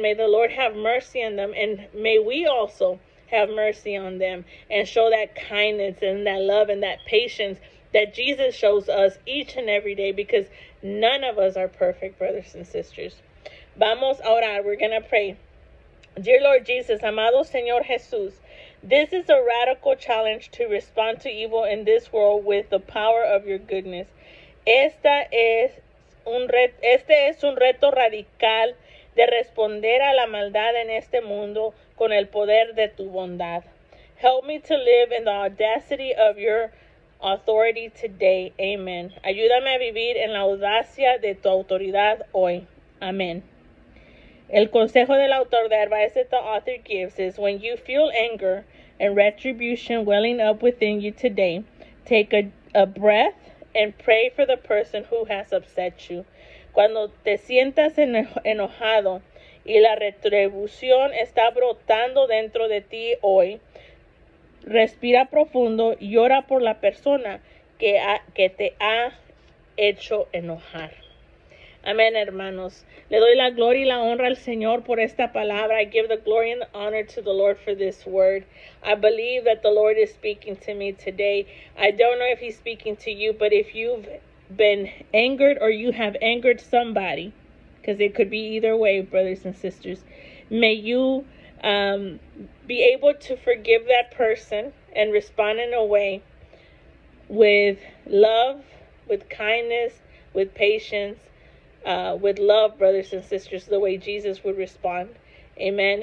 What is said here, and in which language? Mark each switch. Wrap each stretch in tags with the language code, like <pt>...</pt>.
<en>May the Lord have mercy on them. And may we also have mercy on them and show that kindness and that love and that patience that Jesus shows us each and every day, because none of us are perfect, brothers and sisters.</en> <es>Vamos a orar.</es> <en>We're going to pray. Dear Lord Jesus,</en> <es>amado Señor Jesús,</es> <en>this is a radical challenge to respond to evil in this world with the power of your goodness.</en> <es>Este es un reto radical de responder a la maldad en este mundo con el poder de tu bondad.</es> <en>Help me to live in the audacity of your authority today. Amen.</en> <es>Ayúdame a vivir en la audacia de tu autoridad hoy. Amen. El consejo del autor,</es> <en>the advice that the author gives, is when you feel anger and retribution welling up within you today, take a breath and pray for the person who has upset you.</en> <es>Cuando te sientas enojado y la retribución está brotando dentro de ti hoy. Respira profundo y ora por la persona que te ha hecho enojar. Amén, hermanos. Le doy la gloria y la honra al Señor por esta palabra.</es> <en>I give the glory and the honor to the Lord for this word. I believe that the Lord is speaking to me today. I don't know if he's speaking to you, but if you've been angered or you have angered somebody, because it could be either way, brothers and sisters, may you be able to forgive that person and respond in a way with love, with kindness, with patience, with love, brothers and sisters, the way Jesus would respond. Amen.</en>